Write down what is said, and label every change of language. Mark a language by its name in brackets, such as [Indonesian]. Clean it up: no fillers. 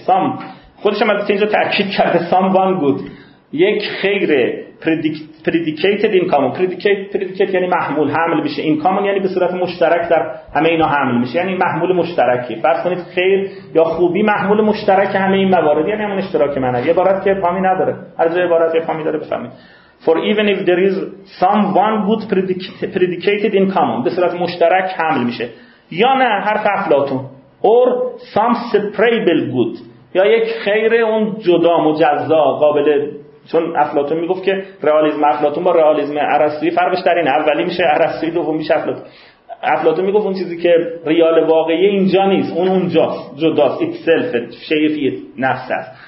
[Persian] some خودش هم از اینجا تأکید کرده، [English] some one good، [Persian] یک خیر [English] predicated in common. [Persian] predicated یعنی محمول، حمل میشه. این common یعنی به صورت مشترک در همه اینا حمل میشه، یعنی محمول مشترکی. فرض کنید خیر یا خوبی محمول مشترک همه این موارد، یعنی همون اشتراک معنی. یه عبارت که فهمی نداره، هر جای عبارت یه فهمی داره بفهمید. [English] for even if there is someone good predicated in common، [Persian] به صورت مشترک حمل میشه. یا نه حرف افلاطون، [English] or some separable good، [Persian] یا یک خیر اون جدا مجزا قابل، چون افلاطون میگفت که رئالیسم افلاطون با رئالیسم ارسطویی فرقش در این، اولی میشه ارسطویی، دوم میشه افلاطون. افلاطون میگفت اون چیزی که ریال واقعی اینجا نیست، اون اونجاست، جداست، ایتسلف شیفی نفس است.